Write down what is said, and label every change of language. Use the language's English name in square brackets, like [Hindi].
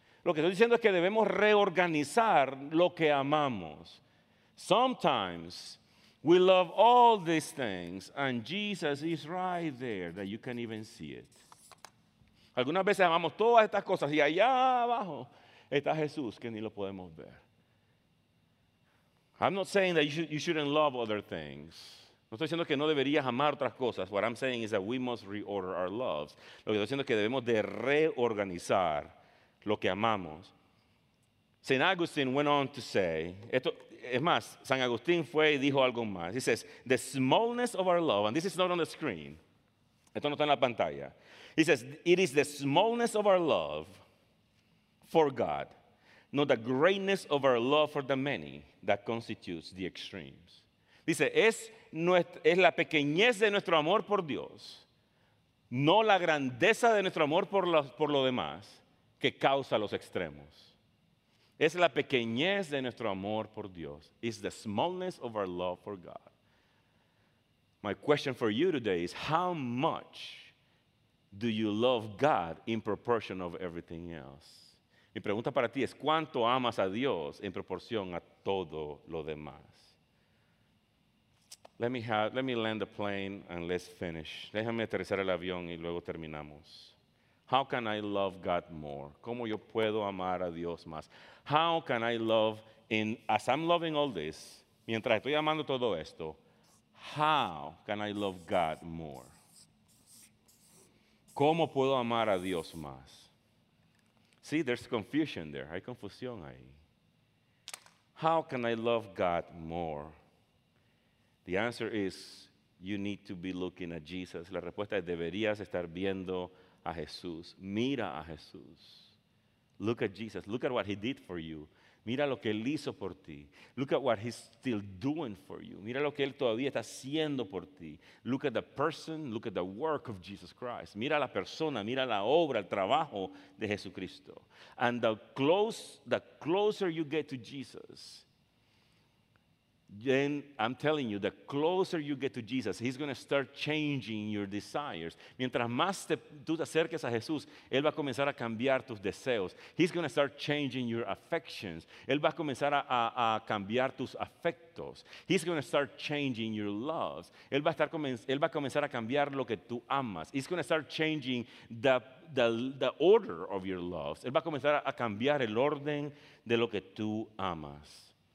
[Spanish] Lo que estoy diciendo es que debemos reorganizar lo que amamos. [English] Sometimes we love all these things, and Jesus is right there that you can even see it. [Spanish] Algunas veces amamos todas estas cosas y allá abajo está Jesús que ni lo podemos ver. [English] I'm not saying that you shouldn't love other things. [Spanish] No estoy diciendo que no deberías amar otras cosas. [English] What I'm saying is that we must reorder our loves. [Spanish] Lo que estoy diciendo es que debemos de reorganizar lo que amamos. St. [English] Augustine went on to say, [Spanish] esto, es más, San Agustín fue y dijo algo más. [English] He says, the smallness of our love, and this is not on the screen. [Spanish] Esto no está en la pantalla. [English] He says, it is the smallness of our love for God, not the greatness of our love for the many that constitutes the extremes. [Spanish] Dice, es la pequeñez de nuestro amor por Dios, no la grandeza de nuestro amor por lo demás que causa los extremos. Es la pequeñez de nuestro amor por Dios. [English] It's the smallness of our love for God. My question for you today is, how much do you love God in proportion of everything else? [Spanish] Mi pregunta para ti es, ¿cuánto amas a Dios en proporción a todo lo demás? [English] Let me land the plane and let's finish. [Spanish] Déjame aterrizar el avión y luego terminamos. [English] How can I love God more? [Spanish] ¿Cómo yo puedo amar a Dios más? [English] How can I love, as I'm loving all this, [Spanish] mientras estoy amando todo esto, [English] how can I love God more? [Spanish] ¿Cómo puedo amar a Dios más? [English] See, there's confusion there. [Spanish] Hay confusión ahí. [English] How can I love God more? The answer is, you need to be looking at Jesus. [Spanish] La respuesta es, deberías estar viendo a Jesús. Mira a Jesús. [English] Look at Jesus. Look at what he did for you. [Spanish] Mira lo que él hizo por ti. [English] Look at what he's still doing for you. [Spanish] Mira lo que él todavía está haciendo por ti. [English] Look at the person, look at the work of Jesus Christ. [Spanish] Mira la persona, mira la obra, el trabajo de Jesucristo. [English] And the closer you get to Jesus, then I'm telling you, the closer you get to Jesus, he's going to start changing your desires. [Spanish] Mientras más tú te acerques a Jesús, él va a comenzar a cambiar tus deseos. [English] He's going to start changing your affections. [Spanish] Él va a comenzar a cambiar tus afectos. [English] He's going to start changing your loves. [Spanish] Él va a comenzar a cambiar lo que tú amas. [English] He's going to start changing the order of your loves. [Spanish] Él va a comenzar a cambiar el orden de lo que tú amas.